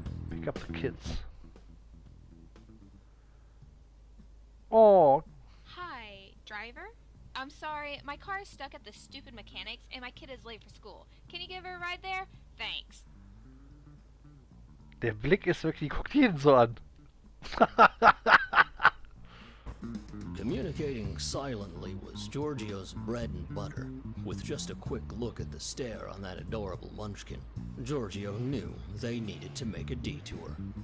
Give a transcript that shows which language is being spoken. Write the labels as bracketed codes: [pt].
[en] Pick up the kids. Oh. Hi, driver. I'm sorry, my car is stuck at the stupid mechanics and my kid is late for school. Can you give her a ride there? Thanks. [de] Der Blick ist wirklich, guckt ihn so an. [en] Communicating silently was Giorgio's bread and butter. With just a quick look at the stare on that adorable munchkin, Giorgio knew they needed to make a detour.